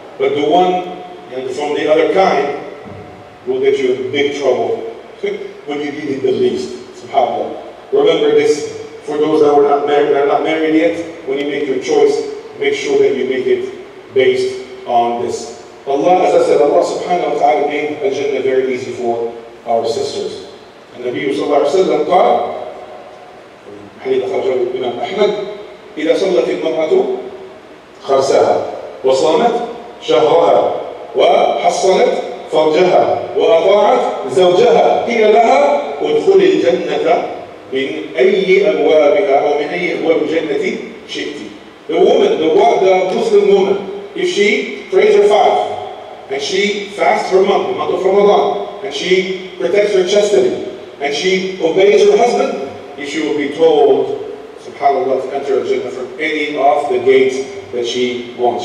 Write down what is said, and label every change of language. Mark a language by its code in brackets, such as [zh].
[en] But the one from the other kind will get you in big trouble when you need it the least. SubhanAllah. Remember this, for those that were not married, that are not married yet, when you make your choice, make sure that you make it based on this. Allah, as I said, Allah subhanahu wa ta'ala made Al-Jannah very easy for our sisters. [ar] And Nabi sallallahu alayhi wa sallam qala, حديث خرجه الإمام أحمد إذا صلت المرأة خرسها وصامت شهرها وحصنت فرجها وأطاعت زوجها قيل لها ادخلي الجنة من أي أبوابها أو من أي أبواب الجنة شئت. [en] The Muslim woman, if she prays her five and she fasts her month, the month of Ramadan, and she protects her chastity and she obeys her husband, she will be told, subhanAllah, to enter Al-Jannah from any of the gates that she wants.